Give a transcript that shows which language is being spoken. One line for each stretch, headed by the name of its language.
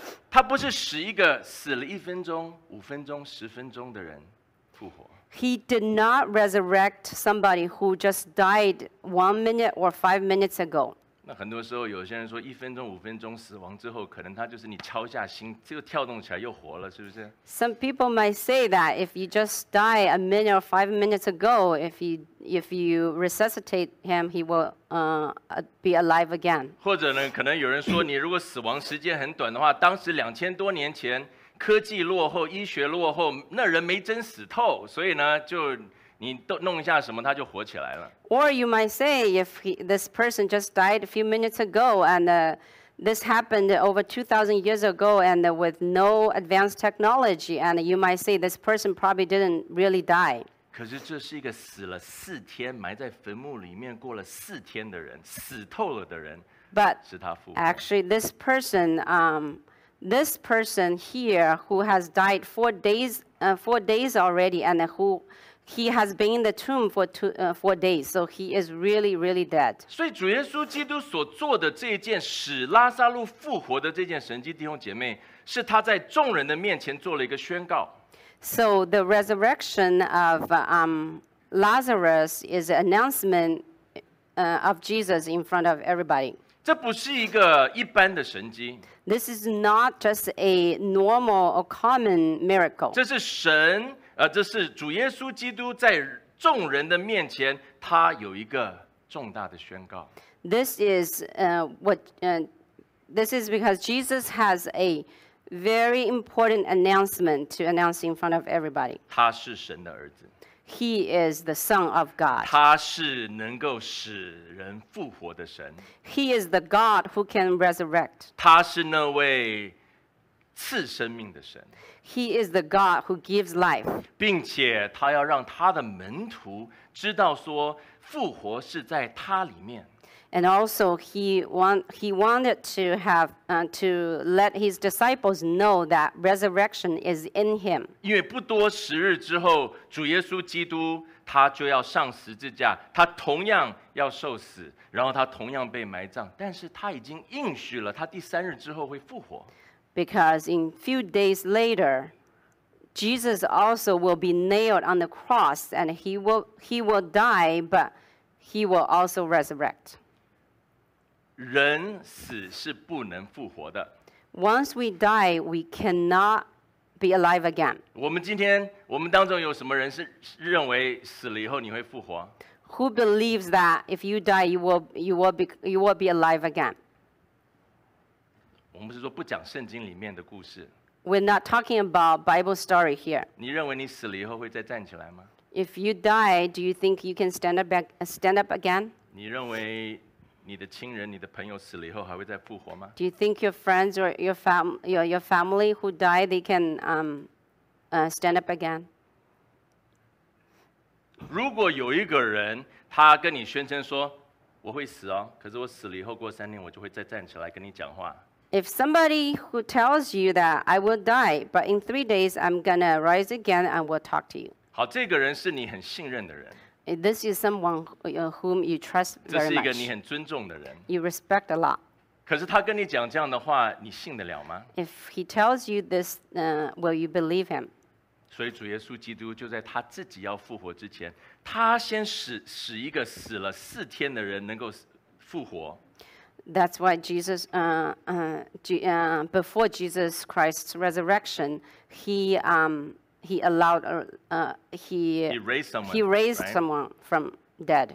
Chinese: 他不是使一个死了一分钟、五分钟、十分钟的人复活。
English: He did not resurrect somebody who just died 1 minute or 5 minutes ago.
Chinese: 那很多时候，有些人说一分钟、五分钟死亡之后，可能他就是你敲下心，就跳动起来又活了，是不是
English: ？Some people might say that if you just die 1 minute or 5 minutes ago, if you resuscitate him, he will be alive again.
Chinese: 或者呢，可能有人说，你如果死亡时间很短的话，当时两千多年前科技落后、医学落后，那人没真死透，所以呢，就你弄一下什么，他就活起来了。
English: Or you might say, if this person just died a few minutes ago, and this happened over 2,000 years ago, and with no advanced technology, and you might say this person probably didn't really die.
Chinese: 可是这是一个死了四天埋在坟墓里面过了四天的人死透了的人
English: But
Chinese: 是他复活
English: actually this person here who has died four days already and who he has been in the tomb for four days so he is really really dead
Chinese: 所以主耶稣基督所做的这件使拉撒路复活的这件神迹弟兄姐妹是他在众人的面前做了一个宣告
English: So the resurrection of Lazarus is an announcement of Jesus in front of everybody.
Chinese: 这不是一个一般的神迹。
English: This is not just a normal or common miracle.
Chinese: 这是神，这是主耶稣基督在众人的面前，他有一个重大的宣告。
English: This is this is because Jesus has a very important announcement to announce in front of everybody.
Chinese: 他是神的儿子。
English: He is the Son of God.
Chinese: 他是能够使人复活的神。
English: He is the God who can resurrect.
Chinese: 他是那位赐生命的神。
English: He is the God who gives life.
Chinese: 并且他要让他的门徒知道说复活是在他里面。
English: And also he wanted to have to let his disciples know that resurrection is in him.
Chinese: 因为不多时日之后，主耶稣基督他就要上十字架，他同样要受死，然后他同样被埋葬，但是他已经应许了他第三日之后会复活。
English: Because in few days later, Jesus also will be nailed on the cross and he will die, but he will also resurrect.
Chinese: 人死是不能复活的。
English: Once we die, we cannot be alive again.
Chinese: 我们今天，我们当中有什么人是认为死了以后你会复活？
English: Who believes that if you die, you will be alive again?
Chinese: 我们是说不讲圣经里面的故事。
English: We're not talking about Bible story here.
Chinese: 你认为你死了以后会再站起来吗？
English: If you die, do you think you can stand up again?
Chinese: 你认为？你的亲人、你的朋友死了以后还会再复活吗
English: ？Do you think your friends or your family who died they can stand up again？
Chinese: 如果有一个人他跟你宣称说我会死哦，可是我死了以后过三年我就会再站起来跟你讲话。
English: If somebody who tells you that I will die, but in 3 days I'm gonna rise again and will talk to you，
Chinese: 好，这个人是你很信任的人。
English: This is someone whom you trust very much.
Chinese: 这是一个你很尊重的人。
English: You respect a lot.
Chinese: 可是他跟你讲这样的话，你信得了吗
English: ？If he tells you this, will you believe him?
Chinese: 所以主耶稣基督就在他自己要复活之前，他先使一个死了四天的人能够复活。
English: That's why Jesus, before Jesus Christ's resurrection, he raised someone from dead.